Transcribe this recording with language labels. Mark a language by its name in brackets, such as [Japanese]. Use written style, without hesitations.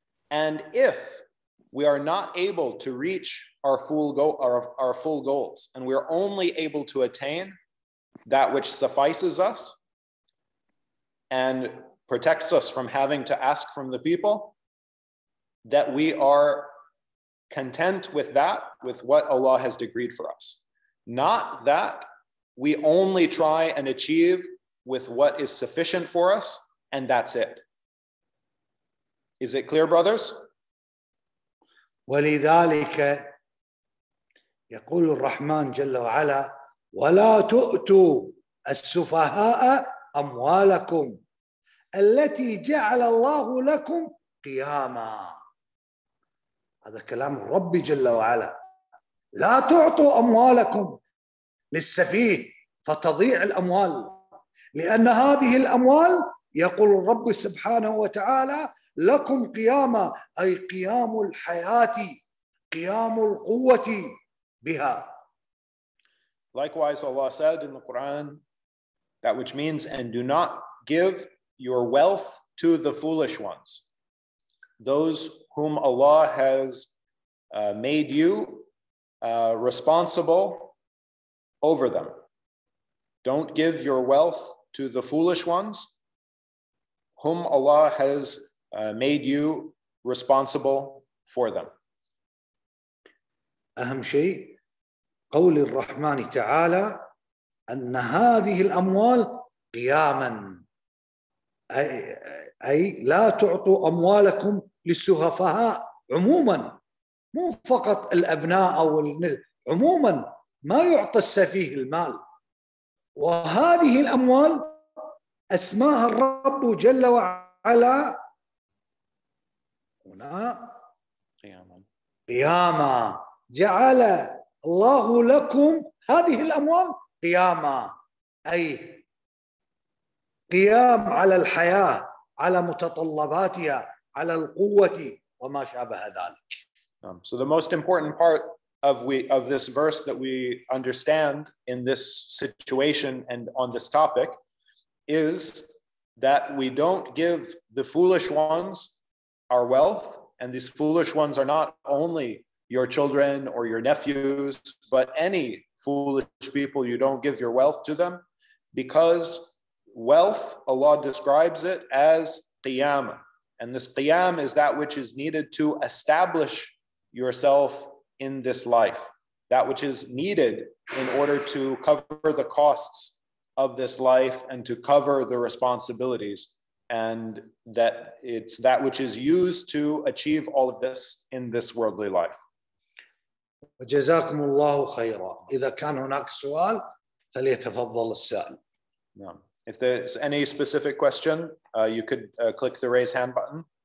[English] And if we are not able to reach our full goals, and we are only able to attain that which suffices us and protects us from having to ask from the people, that we are content with that, with what Allah has decreed for us. Not that we only try and achieve with what is sufficient for us, and that's it. Is it clear, brothers? [Arabic] ولذلك يقول الرحمن جل وعلا ولا تؤتوا السفهاء أموالكم التي جعل الله لكم قياما. هذا كلام الرب جل وعلا. لا تعطوا أموالكم للسفيه فتضيع الأموال، لأن هذه الأموال يقول الرب سبحانه وتعالى لكم قيامة، أي قيام الحياة، قيام القوة بها. [English] Likewise, Allah said in the Quran, that which means, and do not give your wealth to the foolish ones, those whom Allah has made you responsible over them. Don't give your wealth to the foolish ones whom Allah has made you responsible for them. [Arabic] أهم شيء قول الرحمن تعالى أن هذه الأموال قياما، أي لا تعطوا أموالكم للسفهاء عموما، مو فقط الأبناء أو عموما، ما يعطى السفيه المال. وهذه الأموال أسماها الرب جل وعلا هنا قياما، جعل الله لكم هذه الأموال قياما، أي قيام على الحياة، على متطلباتها، على القوة وما شابه ذلك. [English] So the most important part of this verse that we understand in this situation and on this topic is that we don't give the foolish ones our wealth, and these foolish ones are not only your children or your nephews, but any foolish people, you don't give your wealth to them, because wealth, Allah describes it as qiyam. And this qiyam is that which is needed to establish yourself in this life, that which is needed in order to cover the costs of this life and to cover the responsibilities, and that it's that which is used to achieve all of this in this worldly life. [Arabic] وجزاكم الله خيرا. إذا كان هناك سؤال فليتفضل السائل. [English] If there's any specific question, you could click the raise hand button.